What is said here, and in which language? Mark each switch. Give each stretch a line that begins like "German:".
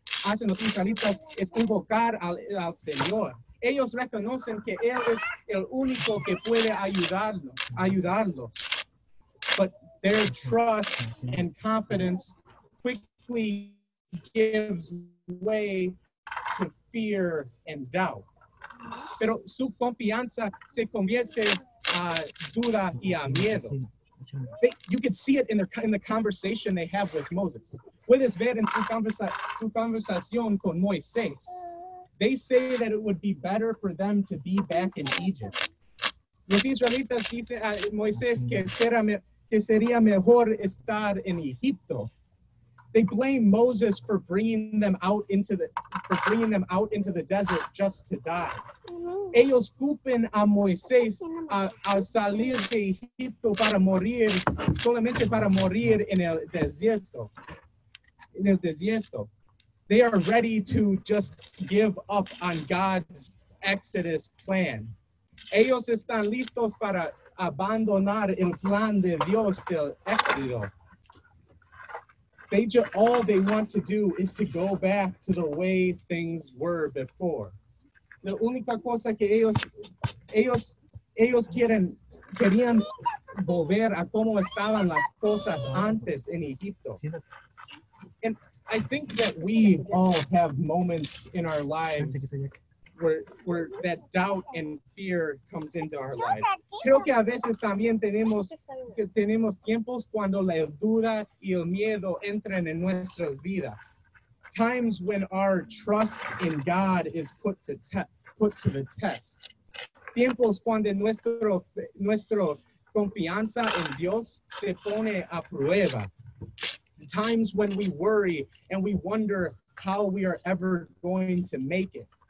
Spanish: La primera cosa que hacen los israelitas es invocar al Señor. Ellos reconocen que Él es el único que puede ayudarlos.
English: But their trust and confidence quickly gives way to fear and doubt.
Spanish: Pero su confianza se convierte duda y a miedo.
English: You can see it in the conversation they have with Moses.
Spanish: Puedes ver en su conversación con Moisés.
English: They say that it would be better for them to be back in Egypt.
Spanish: Los israelitas dicen a Moisés que sería mejor estar en Egipto.
English: They blame Moses for bringing them out into the desert just to die. Mm-hmm.
Spanish: Ellos culpan a Moisés a salir de Egipto para morir, solamente para morir en el desierto. En el desierto.
English: They are ready to just give up on God's Exodus plan.
Spanish: Ellos están listos para abandonar el plan de Dios del Éxodo.
English: All they want to do is to go back to the way things were before.
Spanish: La única cosa que ellos querían volver a cómo estaban las cosas antes en Egipto.
English: And I think that we all have moments in our lives where that doubt and fear comes into our lives.
Spanish: Creo que a veces también tenemos tiempos cuando la duda y el miedo entran en nuestras vidas.
English: Times when our trust in God is put to the test.
Spanish: Tiempos cuando nuestro confianza en Dios se pone a prueba.
English: Times when we worry and we wonder how we are ever going to make it.